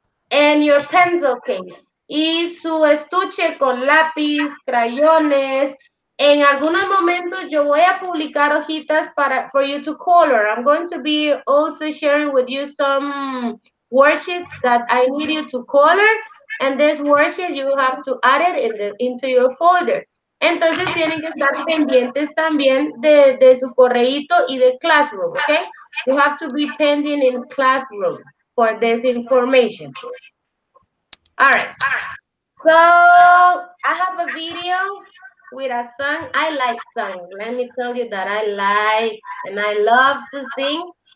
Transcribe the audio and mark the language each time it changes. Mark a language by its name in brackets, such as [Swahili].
[English] And your pencil case. [Spanish] Y su estuche con lápiz, crayones. En algún momento yo voy a publicar hojitas para [English] for you to color. I'm going to be also sharing with you some worksheets that I need you to color. And this worksheet you have to add it into your folder. [Spanish] Entonces tienen que estar pendientes también de su correíto y de Classroom, okay? [English] You have to be pending in Classroom for this information. All right. So I have a video with a song. I like song. Let me tell you that I like and I love to sing.